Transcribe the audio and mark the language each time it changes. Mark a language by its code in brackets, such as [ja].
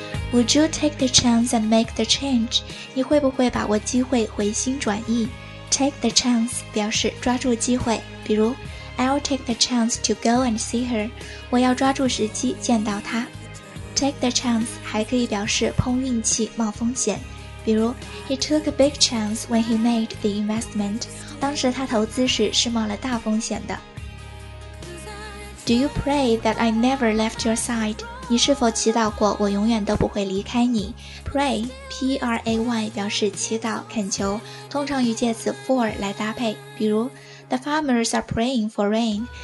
[en] Would you take the chance and make the change? [zh] 你会不会把握机会回心转意？ [en] Take the chance [zh] 表示抓住机会，比如 [en] I'll take the chance to go and see her. [zh] 我要抓住时机见到她。 [en] Take the chance [zh] 还可以表示碰运气、冒风险，比如 [en] He took a big chance when he made the investment. [zh] 当时他投资时是冒了大风险的。 [en] Do you pray that I never left your side? [zh] 你是否祈祷过我永远都不会离开你？ [en] Pray, P-R-A-Y [zh] 表示祈祷、恳求，通常与介词 [en] for 来搭配，比如 The farmers are praying for rain.